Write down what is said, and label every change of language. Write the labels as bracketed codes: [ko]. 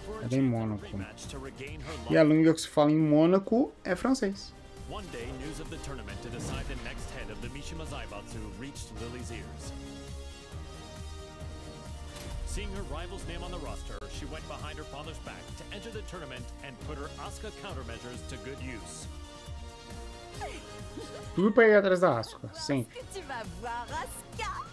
[pt] É em Mônaco. E a língua que se fala em Mônaco é francês. [en] One day, news of the tournament to decide the next head of the Mishima Zaibatsu reached Lily's ears. Seeing her rival's name on the roster, she went behind her father's back to enter the tournament and put her Asuka countermeasures to good use. [pt] Tudo pra ir atrás da Asuka, sempre. [fr] Tu vas voir Asuka!